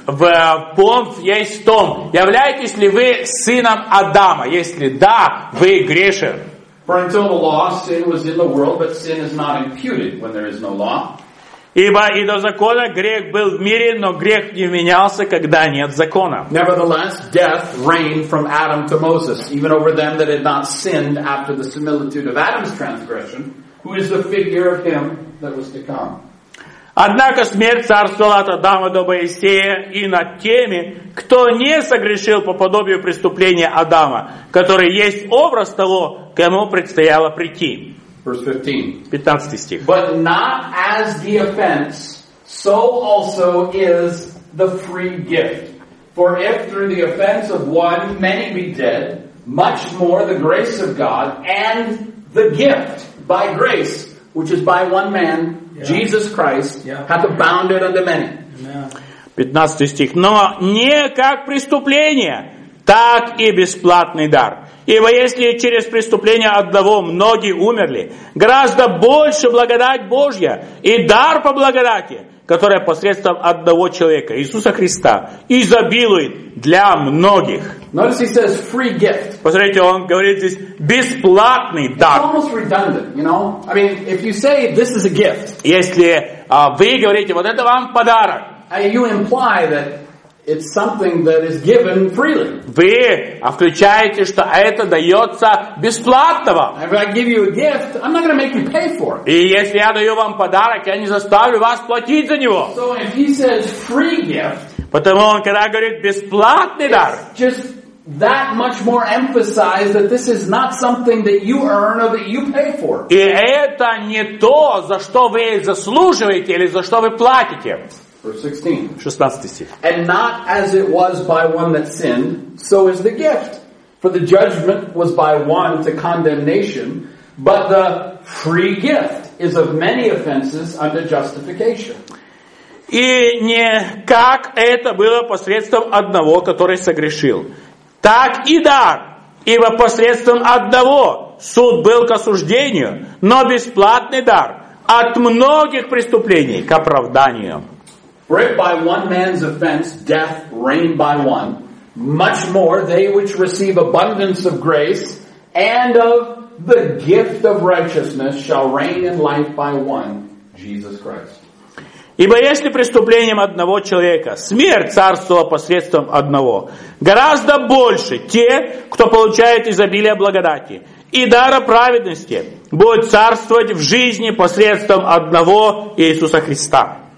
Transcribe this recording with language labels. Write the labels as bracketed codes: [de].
[ru] В пункт есть в том, являетесь ли вы сыном Адама. Если да, вы грешен. [en] For until the law, sin was in the world, but sin is not imputed when there is no law. [ru] Ибо и до закона грех был в мире, но грех не вменялся, когда нет закона. [en] Nevertheless, death reigned from Adam to Moses, even over them that had not sinned after the similitude of Adam's transgression, who is the figure of him that was to come. [ru] Однако смерть царствовала от Адама до Моисея и над теми, кто не согрешил по подобию преступления Адама, который есть образ того, кому предстояло прийти. [en] Verse 15. [ru] 15 стих. [en] But not as the offense, so also is the free gift. For if through the offense of one many be dead, much more the grace of God and the gift by grace, which is by one man, Jesus Christ, hath abounded unto many. [ru] 15 стих. Но не как преступление, так и бесплатный дар. Ибо если через преступление одного многие умерли, гораздо больше благодать Божья и дар по благодати, которая посредством одного человека, Иисуса Христа, изобилует для многих. [en] Notice he says free gift. [ru] Посмотрите, он говорит здесь бесплатный дар. [en] It's almost redundant, you know? I mean, if you say this is a gift. [ru] Если вы говорите, вот это вам подарок. [en] You imply that It's something that is given freely. [ru] Вы включаете, что это дается бесплатно вам. [en] If I give you a gift, I'm not going to make you pay for it. [ru] И если я даю вам подарок, я не заставлю вас платить за него. [en] So if he says free gift, [ru] потому он когда говорит бесплатный [en] it's [ru] дар, [en] just that much more emphasized that this is not something that you earn or that you pay for. [ru] И это не то, за что вы заслуживаете или за что вы платите. [en] Verse 16. And not as it was by one that sinned, so is the gift. For the judgment was by one to condemnation, but the free gift is of many offenses unto justification. [ru] И не как это было посредством одного, который согрешил, так и дар, ибо посредством одного суд был к осуждению, но бесплатный дар от многих преступлений к оправданию. [en] For if by one man's offense death reigned by one, much more they which receive abundance of grace and of the gift of righteousness shall reign in life by one, Jesus Christ. [ru] Ибо если преступлением одного человека смерть царствовала посредством одного, гораздо больше те, кто получает изобилие благодати и дара праведности, будут царствовать в жизни посредством одного Иисуса Христа.